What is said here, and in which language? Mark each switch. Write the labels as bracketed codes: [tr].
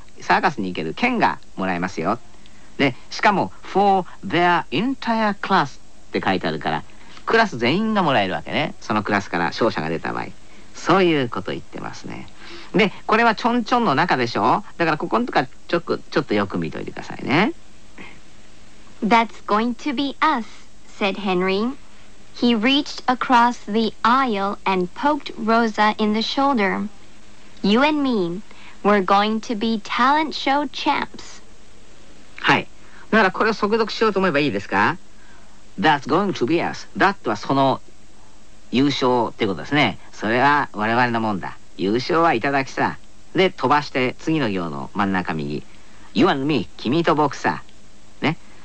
[ja] サーカスに行ける券がもらえますよ。で、しかも for their entire class って書いてあるから、クラス全員がもらえるわけね。そのクラスから勝者が出た場合、そういうこと言ってますね。で、これはちょんちょんの中でしょ。だからここのとかちょっとよく見といてくださいね。 [en] That's going to be us, said Henry. He reached across the aisle and poked Rosa in the shoulder. You and me, we're going to be talent show champs. [ja] はい、だからこれを速読しようと思えばいいですか。 That's going to be us. That はその優勝っていうことですね。それは我々のもんだ。優勝はいただきさ。で、飛ばして次の行の真ん中右。 You and me, 君と僕さ。ね。